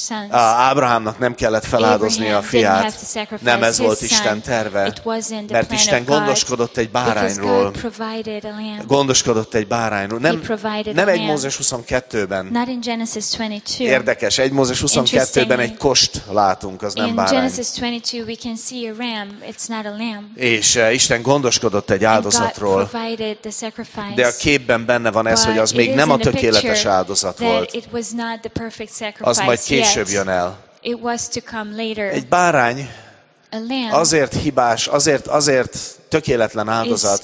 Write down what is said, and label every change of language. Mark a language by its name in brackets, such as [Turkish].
[Hungarian] Ábrahámnak nem kellett feláldozni a fiát. Nem ez volt Isten terve. Mert Isten gondoskodott egy bárányról. Gondoskodott egy bárányról. Nem egy Mózes 22-ben. Érdekes, 1 Mózes 22-ben egy kost látunk, az nem bárány. [English] In Genesis 22 we can see a ram, it's not a lamb. [Hungarian] És Isten gondoskodott egy áldozatról. De a képben benne van ez, hogy az még nem a tökéletes áldozat volt. [English] It was not the perfect sacrifice. [Hungarian] Az majd később jön el. [English] It was to come later. [Hungarian] Egy bárány. [English] A lamb. [Hungarian] Azért hibás, azért tökéletlen áldozat.